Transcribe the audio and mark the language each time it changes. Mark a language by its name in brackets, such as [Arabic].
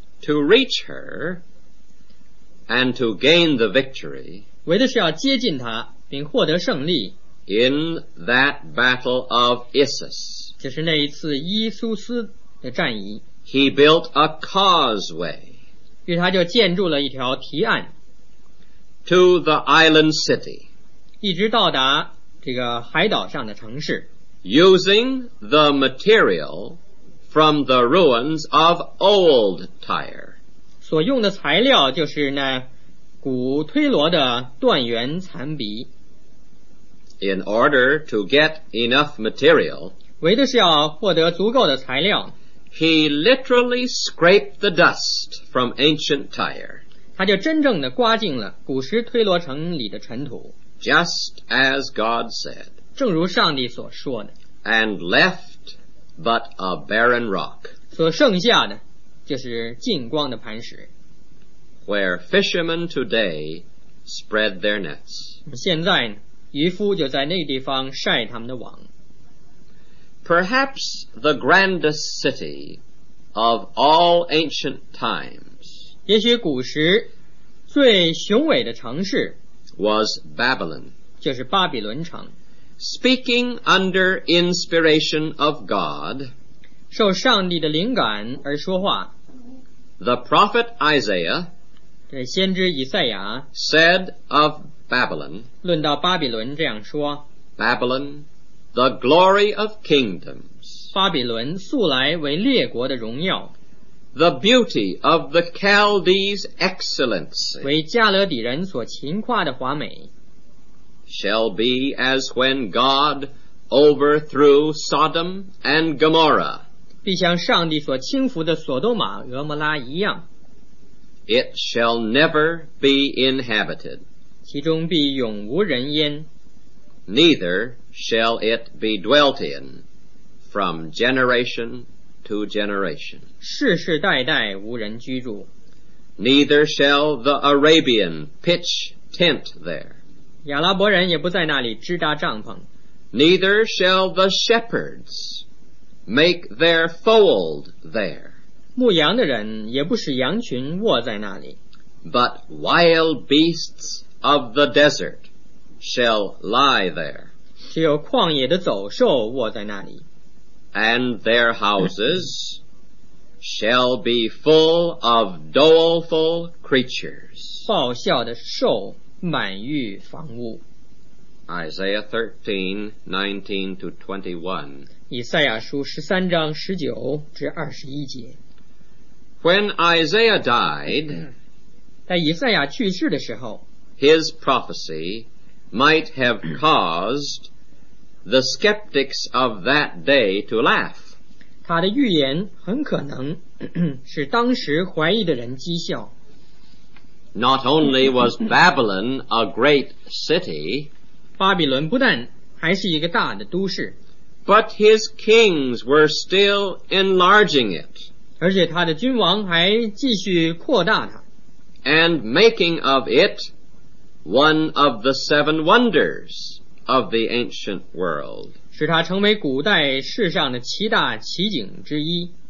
[English] to reach her and to gain the victory [Chinese] 为的是要接近他并获得胜利 [English] in that battle of Issus [Chinese] 就是那一次伊苏斯的战役 [English] he built a causeway [Chinese] 于是他就建筑了一条堤岸 [English] To the island city [Chinese] 一直到达这个海岛上的城市 [English] Using the material from the ruins of old Tyre [Chinese] 所用的材料就是那古推罗的断垣残壁 [English] In order to get enough material [Chinese] 为的是要获得足够的材料 [English] He literally scraped the dust from ancient Tyre. [Chinese] 他就真正地刮净了古时推罗城里的尘土。 [English] Just as God said. [Chinese] 正如上帝所说的。 [English] And left but a barren rock. [Chinese] 所剩下的就是净光的磐石。 [English] Where fishermen today spread their nets. [Chinese] 现在呢，渔夫就在那个地方晒他们的网。 [English] Perhaps the grandest city of all ancient times [Chinese] 也许古时最雄伟的城市 [English] was Babylon [Chinese] 就是巴比伦城 [English] Speaking under inspiration of God [Chinese] 受上帝的灵感而说话 [English] The prophet Isaiah [Chinese] 这先知以赛亚 [English] said of Babylon [Chinese] 论到巴比伦这样说 [English] Babylon The glory of kingdoms. [Chinese] 巴比伦素来为列国的荣耀。 [English] The beauty of the Chaldees' excellency. [Chinese] 为加勒底人所勤夸的华美。 [English] Shall be as when God overthrew Sodom and Gomorrah. [Chinese] 必像上帝所轻浮的索多玛、俄摩拉一样。 [English] It shall never be inhabited. [Chinese] 其中必永无人烟。 [English] Neither shall it be dwelt in from generation to generation. [Chinese] 世世代代无人居住。 [English] Neither shall the Arabian pitch tent there. [Chinese] 亚拉伯人也不在那里支搭帐篷。 [English] Neither shall the shepherds make their fold there. [Chinese] 牧羊的人也不使羊群卧在那里。 [English] But wild beasts of the desert shall lie there. [Chinese] 只有旷野的走兽卧在那里。 [English] And their houses shall be full of doleful creatures. [Chinese] 爆笑的兽满欲房屋。 [English] Isaiah 13:19-21. [Chinese] 以赛亚书13:19-21. [English] When Isaiah died, [Chinese] 在以赛亚去世的时候， [English] his prophecy might have caused the skeptics of that day to laugh. [Chinese] 他的预言很可能使当时怀疑的人讥笑。 [English] Not only was Babylon a great city, [Chinese] 巴比伦不但还是一个大的都市， [English] but his kings were still enlarging it. [Chinese] 而且他的君王还继续扩大它。 [English] And making of it One of the seven wonders of the ancient world. [Chinese] 使它成为古代世上的七大奇景之一。